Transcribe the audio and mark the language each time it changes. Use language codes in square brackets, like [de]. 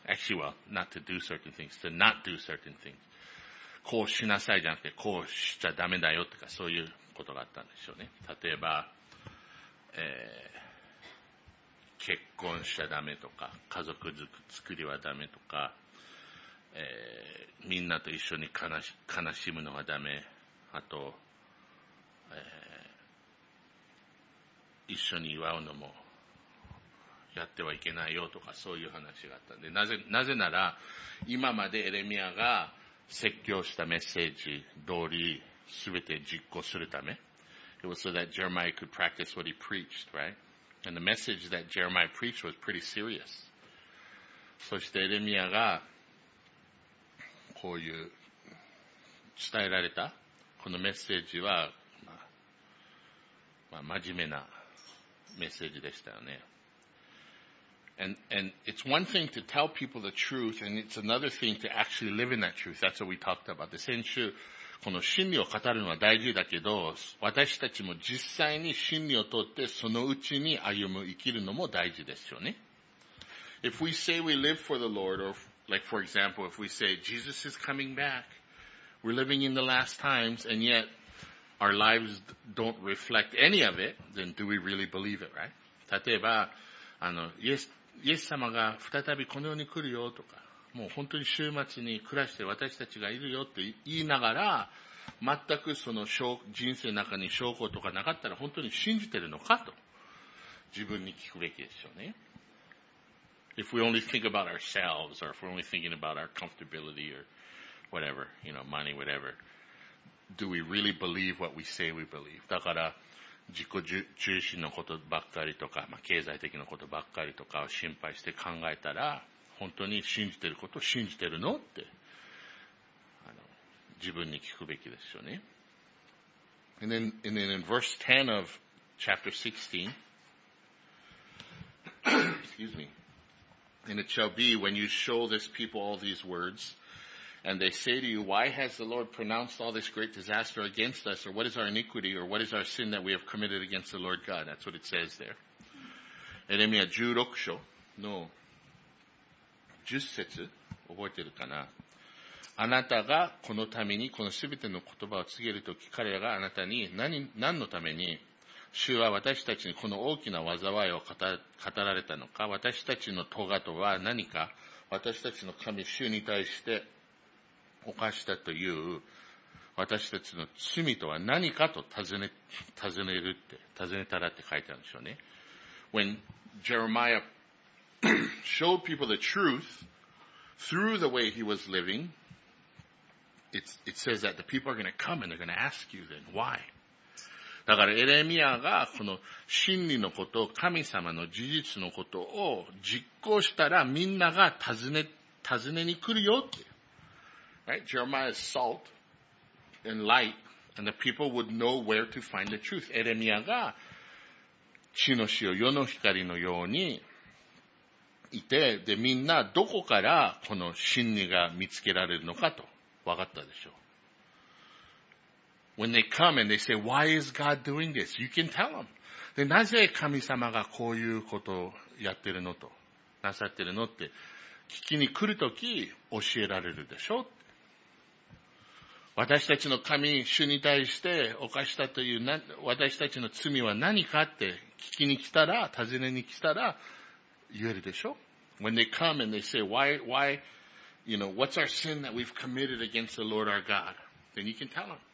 [en] Actually, well, not to do certain things, to not do certain things. [ja] こうしなさいじゃなくて、こうしちゃダメだよとか、そういうことがあったんでしょうね。例えば、結婚しちゃダメとか、家族作りはダメとか、みんなと一緒に悲しむのはダメ。あと、一緒に祝うのも、やってはいけないよとかそういう話があったんで、なぜなら今までエレミアが説教したメッセージ通りすべて実行するため、 [en] It was so that Jeremiah could practice what he preached, right? And the message that Jeremiah preached was pretty serious. [ja] そしてエレミアがこういう伝えられたこのメッセージは、真面目なメッセージでしたよね。 [en] And it's one thing to tell people the truth, and it's another thing to actually live in that truth. That's what we talked about. [ja] 先週、この真理を語るのは大事だけど、私たちも実際に真理を通って、そのうちに歩む、生きるのも大事ですよね。 [en] If we say we live for the Lord, or like for example, if we say Jesus is coming back, we're living in the last times, and yet our lives don't reflect any of it, then do we really believe it, right? [ja] 例えば、イエス様が再びこの世に来るよとか、もう本当に週末に暮らして私たちがいるよって言いながら、全くその人生の中に証拠とかなかったら本当に信じてるのかと、自分に聞くべきですよね。 [en] If we only think about ourselves, or if we're only thinking about our comfortability, or whatever, you know, money, whatever, do we really believe what we say we believe? [ja] だから、自己中心のことばっかりとか、まあ、経済的なことばっかりとかを心配して考えたら、本当に信じてることを信じてるのって、自分に聞くべきですよね。 [en] And then in verse 10 of chapter 16, excuse me, and it shall be when you show this people all these words,And they say to you, why has the Lord pronounced all this great disaster against us? Or what is our iniquity? Or what is our sin that we have committed against the Lord God? That's what it says there. [ja] エレミア16章の10節覚えてるかな？あなたがこのためにこのすべての言葉を告げるとき、彼らがあなたに何のために主は私たちにこの大きな災いを語られたのか、私たちの咎とは何か、私たちの神主に対して犯したという私たちの罪とは何かと尋ねたらって書いてあるんでしょうね。 [en] When Jeremiah showed people the truth through the way he was living, it says that the people are going to come and they're going to ask you then why. [ja] だからエレミアがこの真理のことを、神様の事実のことを実行したらみんなが尋ねに来るよって。 [en] Right? Jeremiah's salt and light, and the people would know where to find the truth. [ja] エレミアが地の塩、世の光のようにいて、で、みんなどこからこの真理が見つけられるのかと分かったでしょう。 [en] When they come and they say, why is God doing this? You can tell them. [ja] で、なぜ神様がこういうことをやってるのと、なさってるのって聞きに来るとき教えられるでしょう。私たちの神、主に対して犯したという、私たちの罪は何かって聞きに来たら、尋ねに来たら言えるでしょ ? [en] When they come and they say, why, you know, what's our sin that we've committed against the Lord our God? Then you can tell them.